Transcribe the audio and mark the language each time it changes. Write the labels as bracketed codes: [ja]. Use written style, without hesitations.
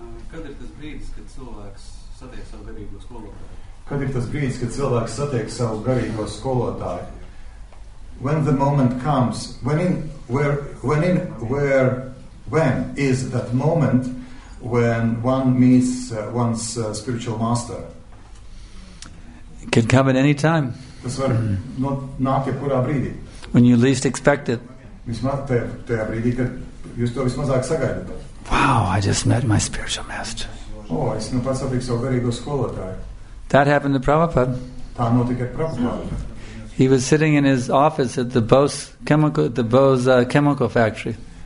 [lv] Kad ir tas brīdis, kad cilvēks satiek savu garīgo skolotāju? [en] When the moment comes, when is that moment when one meets one's spiritual master? It could come at any time. [lv] Tas var nāk jebkurā brīdī. [en] When you least expect it. [lv] Vismaz tajā brīdī, kad jūs to vismazāk sagaidat. [en] Wow, I just met my spiritual master. [lv] Oh, es nu pats satiku savu garīgo skolotāju. [en] That happened to Prabhupada. He was sitting in his office at the Bose chemical factory.